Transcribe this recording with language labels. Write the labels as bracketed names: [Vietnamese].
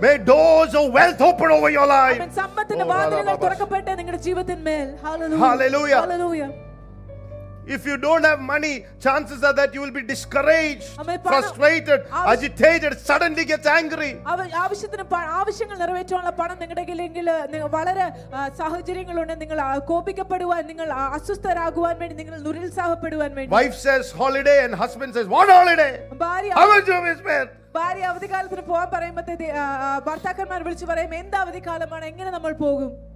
[English] May doors of wealth open over your life. [Malayalam] അമേൻ. സമ്പത്തിന്റെ വാതിലുകൾ തുറക്കപ്പെട്ടെ നിങ്ങളുടെ ജീവിതത്തിന്മേൽ. Hallelujah. [English] Hallelujah. If you don't have money, chances are that you will be discouraged, frustrated, agitated, suddenly gets angry. [Malayalam] ആവശ്യത്തിന് ആവശ്യങ്ങൾ നിറവേറ്റാനുള്ള പണം നിങ്ങളുടെ കയ്യിലെങ്കിൽ വളരെ സാഹചര്യങ്ങളുണ്ട്, നിങ്ങൾ കോപിക്കപ്പെടുവാൻ, നിങ്ങൾ അസ്വസ്ഥരാകുവാൻ വേണ്ടി, നിങ്ങൾ നിരുത്സാഹപ്പെടുവാൻ വേണ്ടി. [English] Wife says holiday and husband says what holiday? [Malayalam] ഭാര്യ [English] how much of his wealth? [Malayalam] ഭാര്യ അവധി കാലത്തിന് പോകാൻ പറയുമ്പോഴത്തെ ഭർത്താക്കന്മാർ വിളിച്ചു പറയും, എന്ത് അവധി കാലമാണ്, എങ്ങനെ നമ്മൾ പോകും?